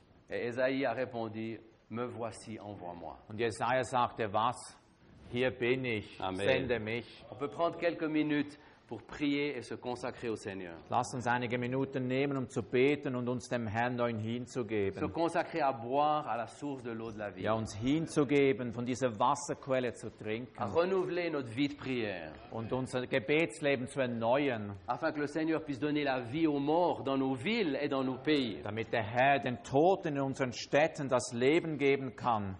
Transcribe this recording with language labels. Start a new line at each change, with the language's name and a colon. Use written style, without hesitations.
French: Et Esaïe a répondu, me voici, envoie-moi.
German: Und Jesaja sagte, was? Hier bin ich,
French: Amen.
German: Sende mich.
French: On peut prendre quelques minutes pour prier et se consacrer au Seigneur.
German: Lass uns einige Minuten nehmen, zu beten und uns dem Herrn neu hinzugeben.
French: Se consacrer à boire à la source de l'eau de la vie.
German: Ja, uns hinzugeben, von dieser Wasserquelle zu trinken.
French: À renouveler notre vie de prière.
German: Und unser Gebetsleben zu erneuern.
French: Afin que le Seigneur puisse donner la vie aux morts dans nos villes et dans nos pays.
German: Damit der Herr den Toten in unseren Städten das Leben geben kann.